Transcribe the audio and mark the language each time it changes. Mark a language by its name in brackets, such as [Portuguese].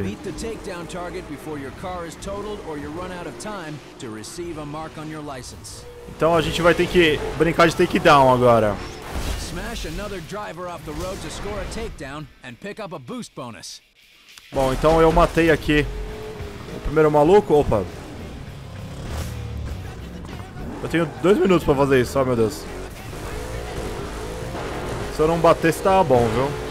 [English] Beat the takedown target before your car is totaled or you run out of time to receive a mark on your license. [Portuguese] Então a gente vai ter que brincar de takedown agora. [English] Smash another driver off the road to score a takedown and pick up a boost bonus. [Portuguese] Bom, então eu matei aqui o primeiro maluco. Opa. Eu tenho 2 minutos para fazer isso, ó, meu Deus. Se eu não bater, está bom, viu?